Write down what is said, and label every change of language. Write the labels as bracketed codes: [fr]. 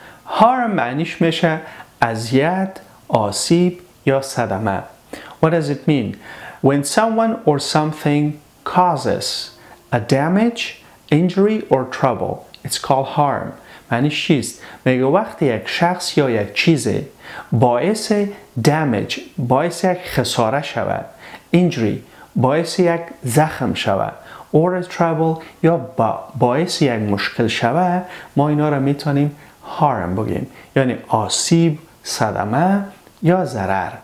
[fa] Harm معنیش میشه اذیت، آسیب یا صدمه. [en] What does it mean? When someone or something causes a damage, injury or trouble, it's called harm. [fa] معنیش چیست؟ میگه وقتی یک شخص یا یک چیز باعث damage، باعث یک خساره شود، injury، باعث یک زخم شود، [en] or a trouble [fa] یا باعث یک مشکل شود، ما اینا را میتونیم harm بگیم، یعنی آسیب، صدمه یا ضرر.